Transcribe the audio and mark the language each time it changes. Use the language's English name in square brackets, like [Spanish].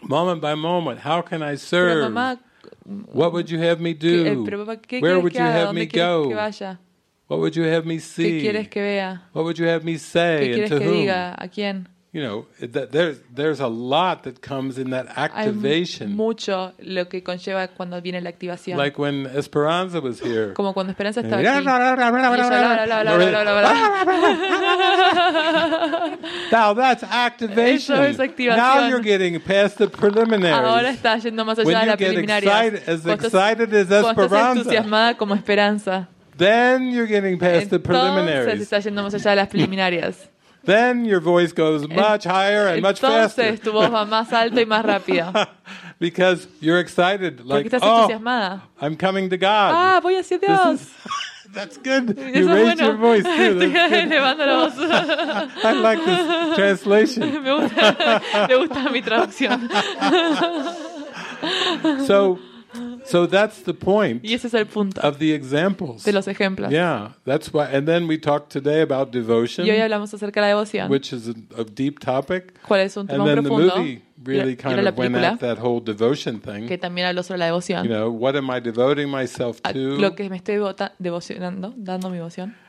[English] Moment by moment, how can I serve? [Spanish] Pero mamá, [English] what would you have me do? Where would you have me go? What would you have me see? [Spanish] ¿Qué quieres que vea? [English] What would you have me say? [Spanish] ¿Qué quieres [English] and to [Spanish] que [English] whom? [Spanish] Diga? ¿A quién? [English] You know, there's a lot that comes in that activation. [Spanish] Hay mucho lo que conlleva cuando viene la activación. [English] Like when Esperanza was here. [Spanish] Como cuando Esperanza estaba aquí. [English] Now that's activation. [Spanish] Eso es activación. [English] Now you're getting past the preliminaries. [Spanish] Ahora estás yendo más allá de la preliminaria. [English] As excited as Esperanza. [Spanish] Estás entusiasmada como Esperanza. [English] Then you're getting past the preliminaries. [Spanish] Entonces estás yendo más allá de las preliminarias. [English] Then your voice goes much higher and much faster. [Spanish] Tu voz va más alto y más rápido. [English] Because you're excited, like, [Spanish] entusiasmada. [English] I'm coming to God. [Spanish] Ah, voy hacia Dios. [English] That's good. [Spanish] Eso [English] you raised [Spanish] bueno. [English] Your voice too. [Spanish] Estoy elevando la voz. [English] I like this translation. [Spanish] Me gusta mi traducción. [English] So that's the point. [Spanish] Y ese es el punto [English] of the examples. [Spanish] De los ejemplos. [English] Yeah, that's why. And then we talked today about devotion. [Spanish] Y hoy hablamos acerca de la devoción, [English] which is a deep topic. [Spanish] ¿Cuál es un tema [English] and [Spanish] profundo? [English] Then the movie really kind of went at that whole devotion thing. [Spanish] Que también habló sobre la devoción. [English] You know, what am I devoting myself to? [Spanish] Lo que me estoy devocionando, dando mi devoción.